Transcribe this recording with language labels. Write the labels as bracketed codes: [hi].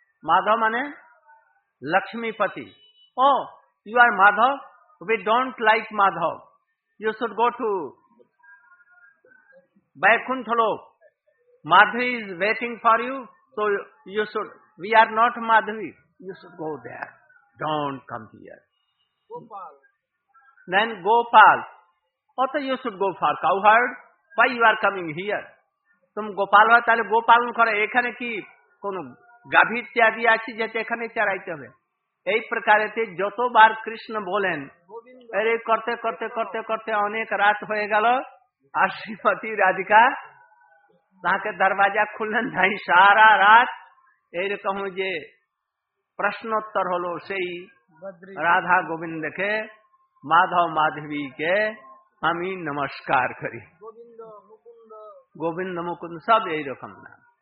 [bn] মাধব মানে লক্ষ্মীপতি [en] Oh you are Madhav we don't like Madhav you should go to Vaikuntha Lok Madhavi is waiting for you so you should we are not Madhavi you should go there don't come here. Gopal. Then Gopal. Also you should go for cowherd. Why you are coming here? [bn] তুম গোপাল হয় তাহলে গোপালন করে এখানে কি কোন গাভী ইত্যাদি আছে যেটা এখানে চড়াইতে হবে? এই প্রকারেতে যতবার কৃষ্ণ বলেন এই করতে করতে করতে করতে অনেক রাত হয়ে গেল। আর শ্রীমতী রাধিকা তাকে দরওয়াজা খুললেন নাই, সারা রাত এইরকম যে প্রশ্নোত্তর হলো সেই রাধা গোবিন্দকে, মাধব মাধবীকে আমি নমস্কার করি, গোবিন্দ মুকুন্দ সব এইরকম নাম।